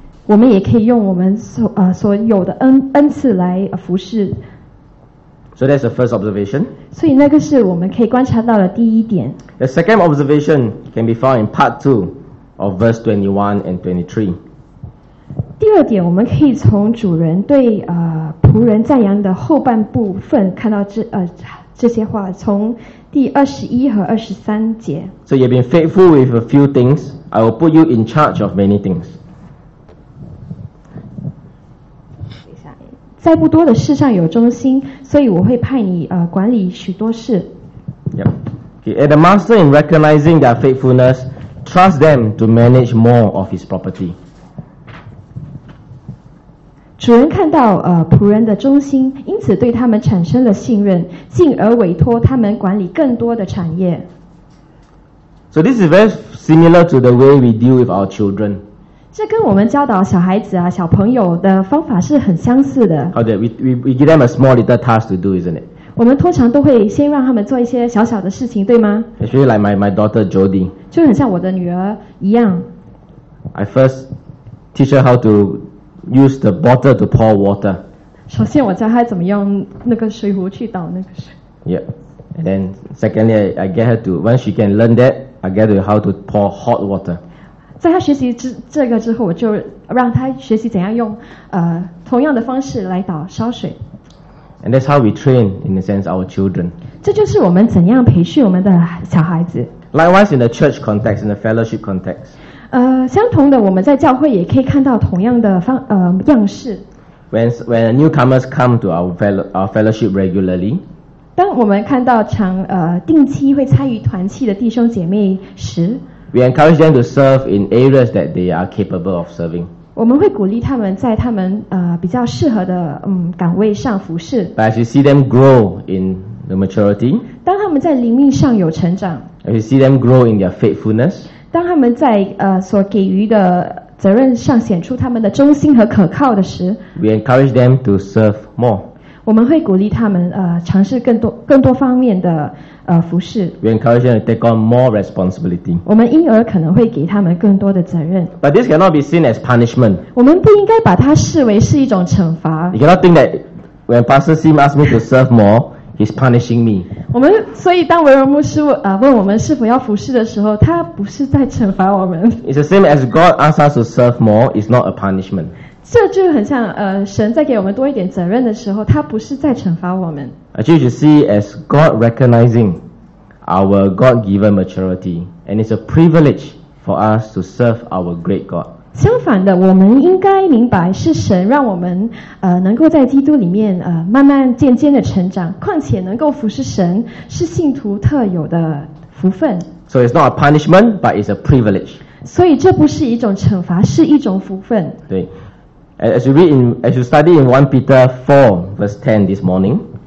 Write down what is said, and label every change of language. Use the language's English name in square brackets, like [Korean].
[Chinese] 我们也可以用我们所有的恩赐来服侍。 [English] So that's the first observation. [Chinese] 所以那个是我们可以观察到的第一点。 [English] The second observation can be found in part 2 of verse 21 and 23. [Chinese] 第二点，我们可以从主人对仆人赞扬的后半部分看到这些话，从第21和23节。 [English] So you've been faithful with a few things. I will put you in charge of many things. [Chinese] 在不多的事上有忠心，所以我会派你管理许多事。 [English] Yeah. Okay. And the master, in recognizing their faithfulness, trust them to manage more of his property. [Chinese] 主人看到仆人的忠心，因此对他们产生了信任，进而委托他们管理更多的产业。 [English] So this is very similar to the way we deal with our children. [Chinese] 这跟我们教导小孩子小朋友的方法是很相似的。好的 [English] we give them a small little task to do, isn't it? [Chinese] 我们通常都会先让他们做一些小小的事情，对吗？ [English] Actually, like my daughter Jody. [Chinese] 就很像我的女儿一样。 [English] I first teach her how to use the bottle to pour water. [Chinese] 首先我教她怎么用那个水壶去倒那个水。 [English] Yeah. And then secondly, I get her to, once she can learn that, I get her how to pour hot water. [Chinese] 在他学习这个之后，我就让他学习怎样用同样的方式来倒烧水。 [English] And that's how we train, in a sense, our children. [Chinese] 这就是我们怎样培训我们的小孩子。 [English] Likewise, in the church context, in the fellowship context. [Chinese] 相同的，我们在教会也可以看到同样的样式。 [English] When newcomers come to our fellowship regularly. [Chinese] 当我们看到定期会参与团契的弟兄姐妹时。 [English] We encourage them to serve in areas that they are capable of serving. [Chinese] 我们会鼓励他们在他们比较适合的岗位上服事。 [English] But as you see them grow in the maturity, [Chinese] 当他们在灵命上有成长。 [English] As you see them grow in their faithfulness, [Chinese] 当他们在所给予的责任上显出他们的忠心和可靠的时。 [English] We encourage them to serve more. [Chinese] 我们会鼓励他们尝试更多方面的服事。 [English] We encourage them to take on more responsibility. [Chinese] 我们因而可能会给他们更多的责任。 [English] But this cannot be seen as punishment. [Chinese] 我们不应该把它视为是一种惩罚。 [English] You cannot think that when Pastor Sim asks me to serve more, he's punishing me. [Chinese] 我们所以当维荣牧师问我们是否要服事的时候，他不是在惩罚我们。 [English] It's the same as God asks us to serve more. It's not a punishment. [Chinese] 这就很像神在给我们多一点责任的时候，他不是在惩罚我们。 [English] You should see as God recognizing our God-given maturity, and it's a privilege for us to serve our great God. [Chinese] 相反的，我们应该明白是神让我们能够在基督里面慢慢渐渐的成长，况且能够服侍神是信徒特有的福分。 [English] So it's not a punishment, but it's a privilege. [Chinese] 所以这不是一种惩罚，是一种福分。对。 [English] As you study in 1 Peter 4, verse 10 this morning,